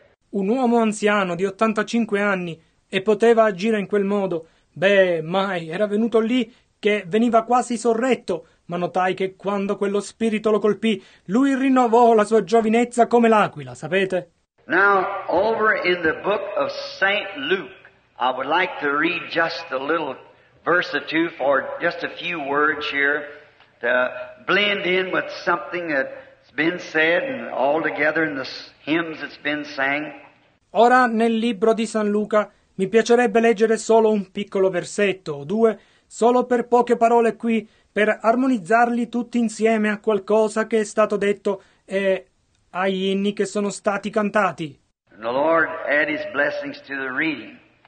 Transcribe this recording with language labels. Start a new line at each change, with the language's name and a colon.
Italian: Un uomo anziano di 85 anni e poteva agire in quel modo. Beh, mai, era venuto lì che veniva quasi sorretto, ma notai che quando quello spirito lo colpì, lui rinnovò la sua giovinezza come l'aquila, sapete?
English: Now, over in the book of St. Luke, I would like to read just a little verse or two for just a few words here to blend in with something that been said and all together in the hymns that's been sang.
Italian: Ora nel libro di San Luca mi piacerebbe leggere solo un piccolo versetto o due, solo per poche parole qui, per armonizzarli tutti insieme a qualcosa che è stato detto e ai inni che sono stati cantati.
English: And the Lord add his blessings to the reading.